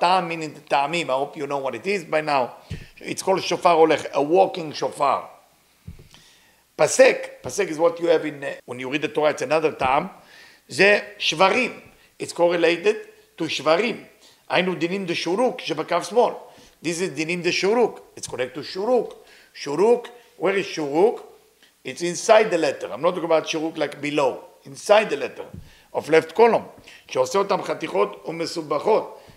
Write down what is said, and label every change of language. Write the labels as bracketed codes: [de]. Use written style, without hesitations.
[en] טעם meaning the טעמים, I hope you know what it is by now. It's called שופר הולך, a walking שופר. פסק, פסק is what you have in, when you read the Torah, it's another טעם. [he] זה שברים, [en] it's correlated to שברים. [he] היינו דינים דה שורוק שבקו שמאל. [en] This is [he] דינים דה שורוק, [en] it's connected to [he] שורוק. [en] שורוק, where is שורוק? It's inside the letter. I'm not talking about shuruk like below. Inside the letter of left column. [he] שעושה אותם חתיכות ומסובכות.